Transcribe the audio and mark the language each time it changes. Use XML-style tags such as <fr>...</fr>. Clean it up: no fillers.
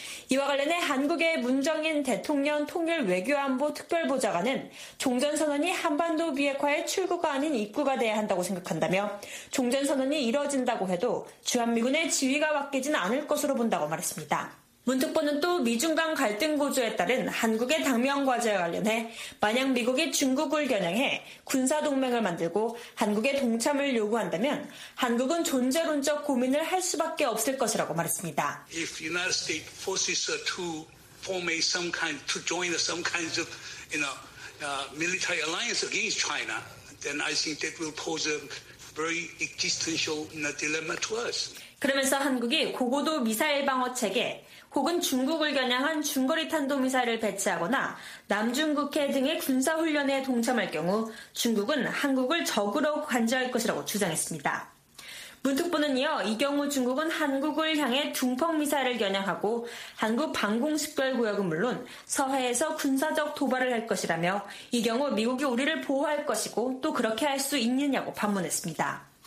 <ko>이와 관련해 한국의 문정인 대통령 통일외교안보특별보좌관은 종전선언이 한반도 비핵화의 출구가 아닌 입구가 돼야 한다고 생각한다며 종전선언이 이뤄진다고 해도 주한미군의 지위가 바뀌진 않을 것으로 본다고 말했습니다. 문 특보는 또 미중 간 갈등 고조에 따른 한국의 당면 과제와 관련해 만약 미국이 중국을 겨냥해 군사동맹을 만들고 한국의 동참을 요구한다면 한국은 존재론적 고민을 할 수밖에 없을 것이라고 말했습니다.</ko> <en>If United States forces to form a some kind, to join some kinds of military alliance against China, then I think that will pose a very existential dilemma to us.</en> <ko>그러면서 한국이 고고도 미사일 방어 체계 혹은 중국을 겨냥한 중거리 탄도미사일을 배치하거나 남중국해 등의 군사훈련에 동참할 경우 중국은 한국을 적으로 관제할 것이라고 주장했습니다. 문 특보는 이어 이 경우 중국은 한국을 향해 둥펑미사일을 겨냥하고 한국 방공식별구역은 물론 서해에서 군사적 도발을 할 것이라며 이 경우 미국이 우리를 보호할 것이고 또 그렇게 할 수 있느냐고 반문했습니다.</ko>